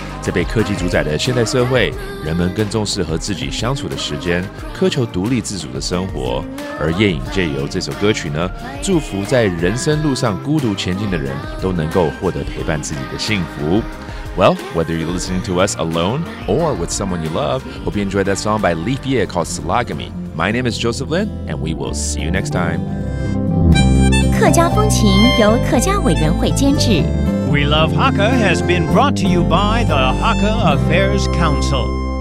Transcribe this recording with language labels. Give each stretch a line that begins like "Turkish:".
Chinese: 在被科技主宰的现代社会，人们更重视和自己相处的时间，渴求独立自主的生活。而葉穎藉由这首歌曲呢，祝福在人生路上孤独前进的人都能够获得陪伴自己的幸福。
English: Well, whether you're listening to us alone or with someone you love, hope you enjoyed that song by Leaf Yeh called Sologamy. My name is Joseph Lin, and we will see you next time.
Chinese: 客家风情由客家委员会监制。
English: We Love Hakka has been brought to you by the Hakka Affairs Council.